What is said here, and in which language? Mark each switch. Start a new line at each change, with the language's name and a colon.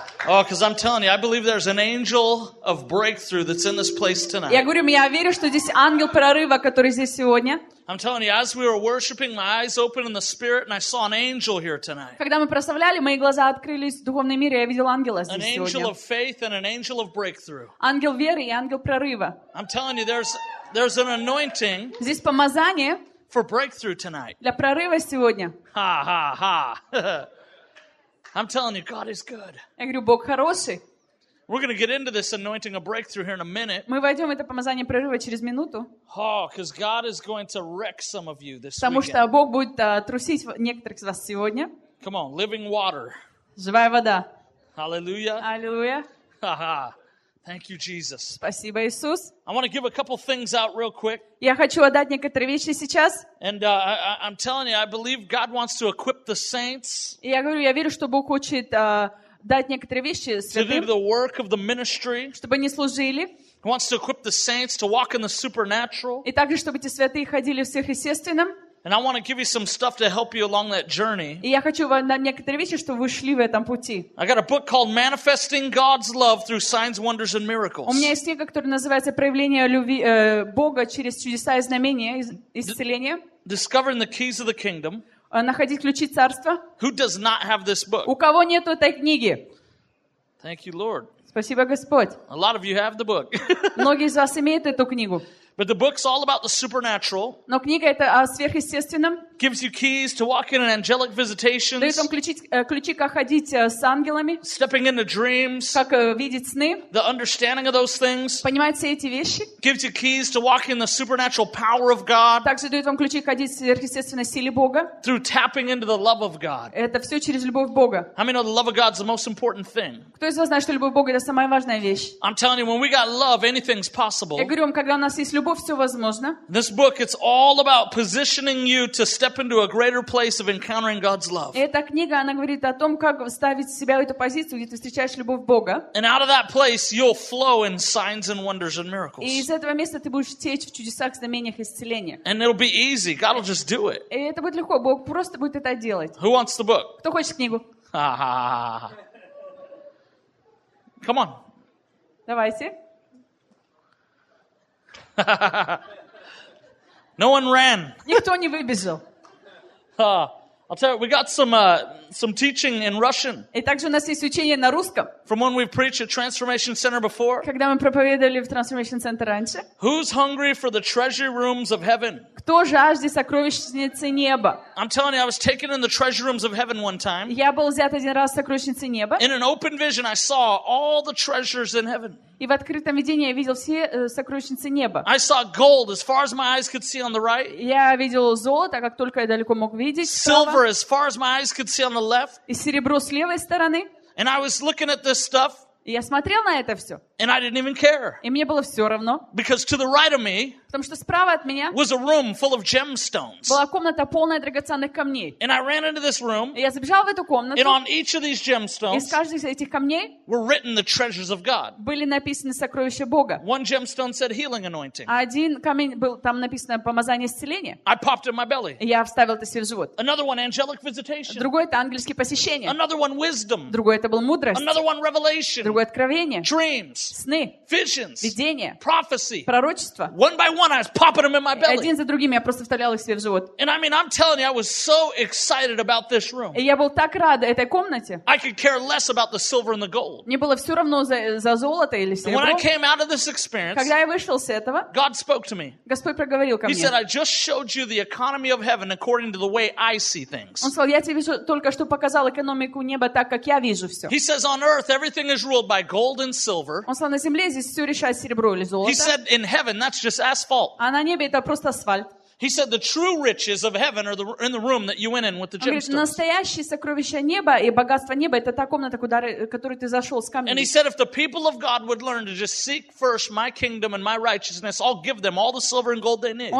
English: Oh, because I'm telling you, I believe there's an angel of breakthrough that's in this place tonight.
Russian: Я говорю, я верю, что здесь ангел прорыва, который здесь сегодня.
English: I'm telling you, as we were worshiping, my eyes opened in the spirit, and I saw an angel here tonight.
Russian: Когда мы прославляли, мои глаза открылись в духовном мире, я видел ангела здесь сегодня.
English: An angel of faith and an angel of breakthrough.
Russian: Ангел веры и ангел прорыва.
English: I'm telling you, there's an anointing.
Russian: Здесь помазание.
English: For breakthrough tonight.
Russian: Для прорыва сегодня.
English: Ha ha ha! I'm telling you, God is good.
Russian: Я говорю, Бог хороший.
English: We're going to get into this anointing of breakthrough here in a minute.
Russian: Мы войдем в это помазание прорыва через минуту.
English: Oh, because God is going to wreck some of you this weekend.
Russian: Потому что Бог будет трусить некоторых из вас сегодня.
English: Come on, living water.
Russian: Живая вода.
English: Hallelujah. Hallelujah. Ha ha. Thank you, Jesus.
Russian: Спасибо, Иисус.
English: I want to give a couple things out real quick.
Russian: Я хочу отдать некоторые вещи сейчас.
English: And I'm telling you, I believe God wants to equip the saints.
Russian: Я говорю, я верю, что Бог хочет дать некоторые вещи святым.
English: To do the work of the ministry.
Russian: Чтобы они служили.
English: He wants to equip the saints to walk in the supernatural.
Russian: И также чтобы эти святые ходили в сверхъестественном.
English: And I want to give you some stuff to help you along that journey.
Russian: И я хочу вам дать некоторые вещи, чтобы вы шли в этом пути.
English: I got a book called Manifesting God's Love Through Signs, Wonders and Miracles.
Russian: У меня есть книга, которая называется «Проявление любви Бога через чудеса и знамения, исцеления».
English: Discovering the keys of the kingdom.
Russian: Находить ключи царства.
English: Who does not have this book?
Russian: У кого нет этой книги?
English: Thank you, Lord.
Russian: Спасибо, Господь.
English: A lot of you have the book.
Russian: Многие из вас имеют эту книгу.
English: But the book's all about the supernatural.
Russian: Но книга это о сверхъестественном.
English: Gives you keys to walk in angelic visitations.
Russian: Дает вам ключи как ходить с ангелами.
English: Stepping into dreams.
Russian: Как видеть сны.
English: The understanding of those things.
Russian: Понимать все эти вещи.
English: Gives you keys to walk in the supernatural power of God.
Russian: Также дает вам ключи ходить в сверхъестественной силе Бога.
English: Through tapping into the love of God.
Russian: Это все через любовь Бога.
English: How many know the love of God is the most important thing?
Russian: Кто из вас знает, что любовь Бога это самая важная вещь?
English: I'm telling you, when we got love, anything's possible.
Russian: Я говорю вам, когда у нас есть любовь, все возможно.
English: This book, it's all about positioning you to step into a greater place of encountering God's love.
Russian: Эта книга, она говорит о том, как вставить себя в эту позицию, где ты встречаешь любовь Бога.
English: And out of that place, you'll flow in signs and wonders and miracles.
Russian: И из этого места ты будешь течь в чудесах, знамениях, исцеления.
English: And it'll be easy. God will just do it.
Russian: И это будет легко. Бог просто будет это делать.
English: Who wants the book?
Russian: Кто хочет книгу? Ha-ha-ha.
English: Come on.
Russian: Давайте.
English: No one ran.
Russian: Никто не выбежал.
English: I'll tell you, we got some teaching in Russian.
Russian: И также у нас есть учение на русском.
English: From when we preached at Transformation Center before.
Russian: Когда мы проповедовали в Transformation Center раньше.
English: Who's hungry for the treasure rooms of heaven?
Russian: Кто жаждет сокровищницы неба?
English: I'm telling you, I was taken in the treasure rooms of heaven one time.
Russian: Я был взят один раз в сокровищницы неба.
English: In an open vision, I saw all the treasures in heaven.
Russian: И в открытом видении я видел все сокровищницы неба.
English: I saw gold as far as my eyes could see on the right.
Russian: Я видел золото, как только я далеко мог видеть.
English: Silver as far as my eyes could see on the left.
Russian: И серебро с левой стороны.
English: And I was looking at this stuff.
Russian: И я смотрел на это все.
English: And I didn't even care.
Russian: И мне было все равно.
English: Because to the right of me.
Russian: Потому что справа от меня.
English: Was a room full of gemstones.
Russian: Была комната полная драгоценных камней.
English: And I ran into this room.
Russian: И я забежал в эту комнату.
English: And on each of these gemstones.
Russian: И с каждой из этих камней.
English: Were written the treasures of God.
Russian: Были написаны сокровища Бога.
English: One gemstone said healing anointing.
Russian: Один камень был там написано помазание исцеления.
English: I popped in my belly.
Russian: И я вставил это себе в живот.
English: Another one angelic visitation.
Russian: Другой это ангельские посещения.
English: Another one wisdom.
Russian: Другой это был мудрость.
English: Another one revelation.
Russian: Другое откровение.
English: Dreams.
Russian: Сны.
English: Visions.
Russian: Видения.
English: Prophecy.
Russian: Пророчество.
English: One by one, I was popping them in my belly.
Russian: Один за другим я просто вставлял их себе в живот.
English: And I mean, I'm telling you, I was so excited about this room.
Russian: И я был так рад этой комнате.
English: I could care less about the silver and the gold.
Russian: Мне было все равно за золото или серебро.
English: When I came out of this experience,
Russian: когда я вышел с этого,
English: God spoke to me.
Russian: Господь проговорил ко мне.
English: He said, I just showed you the economy of heaven according to the way I see things.
Russian: Он сказал, я тебе только что показал экономику неба так, как я вижу все.
English: He says, on earth, everything is ruled by gold and silver.
Russian: Он сказал, на земле здесь все решает серебро или золото.
English: He said, in heaven, that's just asphalt.
Russian: А на небе это просто асфальт.
English: He said, the true riches of heaven are in the room that you went in with the gemstones.
Russian: Он говорит, настоящие сокровища неба и богатство неба это та комната, куда, которую ты зашел с камнями.
English: And he said, if the people of God would learn to just seek first my kingdom and my righteousness, I'll give them all the silver and gold they need.